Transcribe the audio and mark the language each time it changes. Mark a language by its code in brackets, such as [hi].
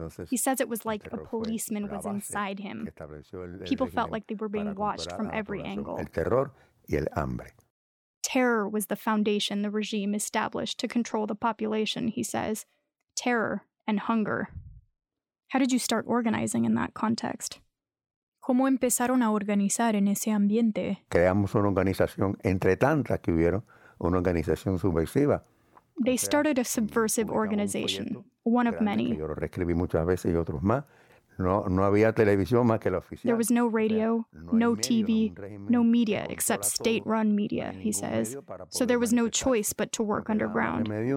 [en] He says it was like a policeman was inside him. People felt like they were being watched from every angle. Terror was the foundation the regime established to control the population, he says. Terror and hunger. How did you start organizing in that context? [es] ¿Cómo empezaron a organizar en ese ambiente? Creamos una organización entre tantas que hubieron, una organización subversiva. [en] They started a subversive organization, one of many. There was no radio, no TV, no media except state-run media, he says. So there was no choice but to work underground.